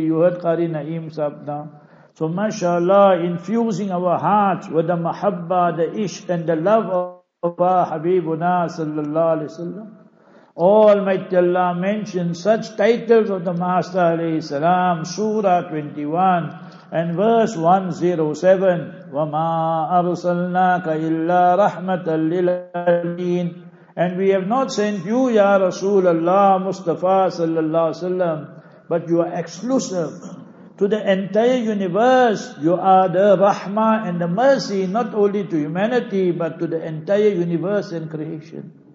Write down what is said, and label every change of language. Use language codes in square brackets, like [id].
[en] You heard Qari Naeem Sabna. So mashallah, infusing our hearts with the mahabba, the ishq and the love of our Habibuna sallallahu alayhi sallam. Almighty Allah mentioned such titles of the master alayhi salam, surah 21. And verse 107, [ar] وَمَا أَرْسَلْنَاكَ إِلَّا رَحْمَةً لِلْعَالَمِينَ. [en] And we have not sent you, Ya Rasulullah Mustafa sallallahu alayhi wa sallam, but you are exclusive to the entire universe. You are the rahmah and the mercy, not only to humanity, but to the entire universe and creation.